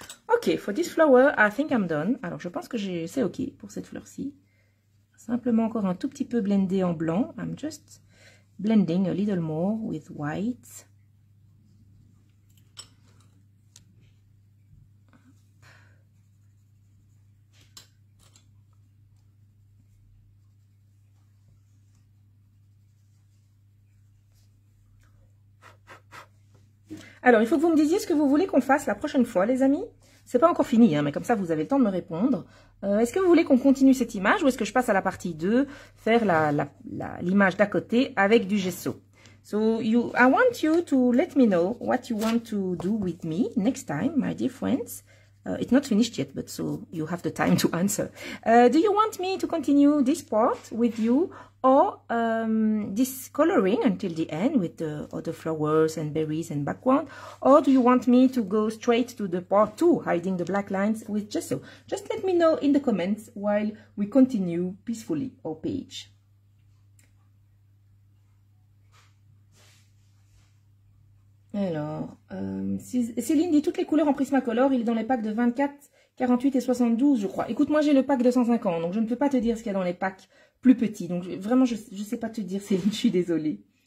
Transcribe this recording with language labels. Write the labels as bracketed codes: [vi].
[en] Ok, for this flower, I think I'm done. [fr] Alors, je pense que c'est ok pour cette fleur-ci. Simplement encore un tout petit peu blendé en blanc. [en] I'm just blending a little more with white. [fr] Alors, il faut que vous me disiez ce que vous voulez qu'on fasse la prochaine fois, les amis. C'est pas encore fini, hein, mais comme ça, vous avez le temps de me répondre. Est-ce que vous voulez qu'on continue cette image ou est-ce que je passe à la partie 2, faire l'image d'à côté avec du gesso? [en] So, I want you to let me know what you want to do with me next time, my dear friends. It's not finished yet, but so you have the time to answer. Do you want me to continue this part with you or this coloring until the end with the other flowers and berries and background? Or do you want me to go straight to the part 2, hiding the black lines with gesso? Just let me know in the comments while we continue peacefully our page. [fr] Alors, Céline dit toutes les couleurs en Prismacolor, il est dans les packs de 24, 48 et 72, je crois. Écoute, moi j'ai le pack de 150, donc je ne peux pas te dire ce qu'il y a dans les packs plus petits. Donc vraiment, je ne sais pas te dire, Céline, je suis désolée.